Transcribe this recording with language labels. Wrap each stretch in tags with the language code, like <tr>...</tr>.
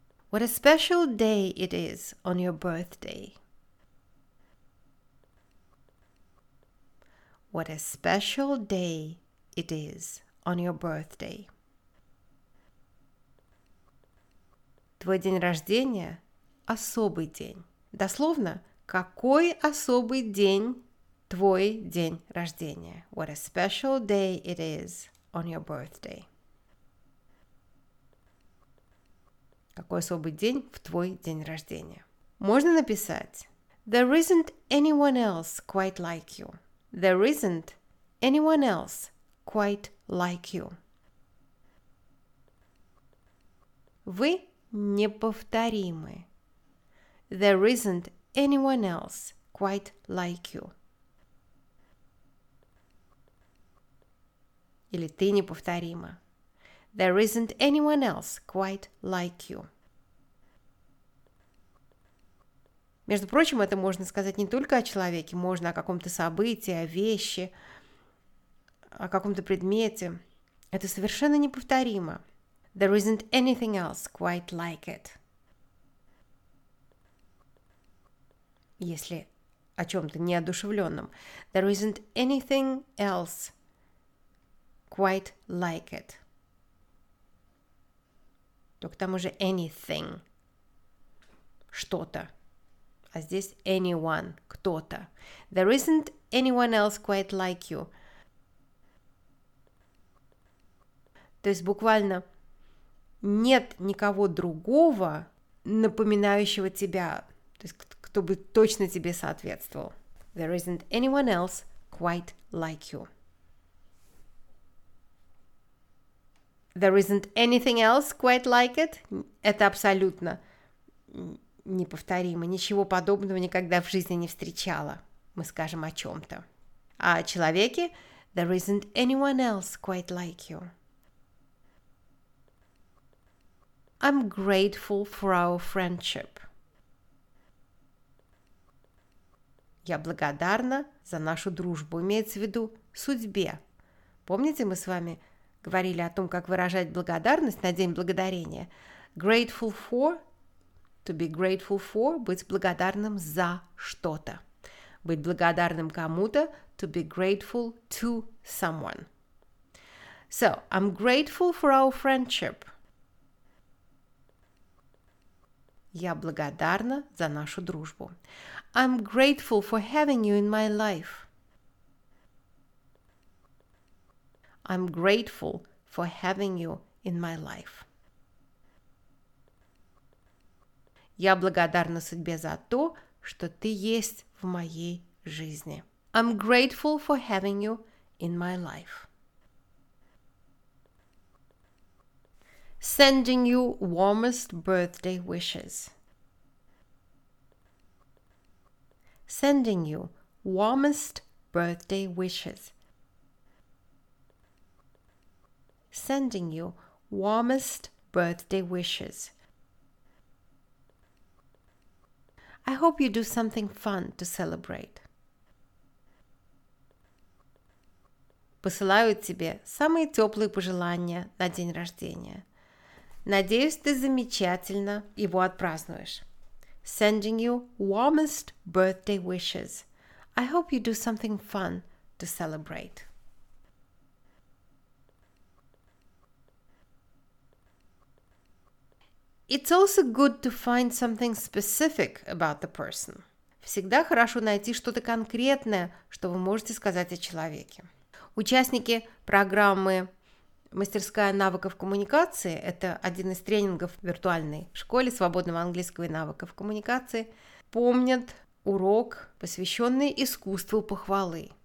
<en>What a special day it is on your birthday. What a special day it is on your birthday.</en> <ru>Твой день рождения – особый день. Дословно, какой особый день твой день рождения?</ru> <en>What a special day it is on your birthday.</en> <ru>Какой особый день в твой день рождения? Можно написать</ru> <en>There isn't anyone else quite like you. There isn't anyone else quite like you.</en> <ru>Вы неповторимы.</ru> <en>There isn't anyone else quite like you.</en> <ru>Или ты неповторима.</ru> <en>There isn't anyone else quite like you.</en> <ru>Между прочим, это можно сказать не только о человеке, можно о каком-то событии, о вещи, о каком-то предмете. Это совершенно неповторимо.</ru> <en>There isn't anything else quite like it.</en> <ru>Если о чем-то неодушевленном.</ru> <en>There isn't anything else quite like it.</en> <ru>Только там уже anything. Что-то. А здесь anyone, кто-то.</ru> <en>There isn't anyone else quite like you.</en> <ru>То есть буквально нет никого другого, напоминающего тебя, то есть кто бы точно тебе соответствовал.</ru> <en>There isn't anyone else quite like you. There isn't anything else quite like it.</en> <ru>Это абсолютно неповторимо. Ничего подобного никогда в жизни не встречала. Мы скажем о чем-то. А о человеке?</ru> <en>There isn't anyone else quite like you. I'm grateful for our friendship.</en> <ru>Я благодарна за нашу дружбу. Имеется в виду судьбе. Помните, мы с вами говорили о том, как выражать благодарность на День Благодарения?</ru> <en>Grateful for To be grateful for,</en> <ru>быть благодарным за что-то. Быть благодарным кому-то,</ru> <en>to be grateful to someone. So, I'm grateful for our friendship.</en> <ru>Я благодарна за нашу дружбу.</ru> <en>I'm grateful for having you in my life. I'm grateful for having you in my life.</en> <ru>Я благодарна судьбе за то, что ты есть в моей жизни.</ru> <en>I'm grateful for having you in my life. Sending you warmest birthday wishes. Sending you warmest birthday wishes. Sending you warmest birthday wishes. I hope you do something fun to celebrate.</en> <ru>Посылаю тебе самые теплые пожелания на день рождения. Надеюсь, ты замечательно его отпразднуешь.</ru> <en>Sending you warmest birthday wishes. I hope you do something fun to celebrate. It's also good to find something specific about the person.</en> <ru>Всегда хорошо найти что-то конкретное, что вы можете сказать о человеке. Участники программы «Мастерская навыков коммуникации» – это один из тренингов в виртуальной школе свободного английского и навыков коммуникации – помнят урок, посвященный искусству похвалы.</ru>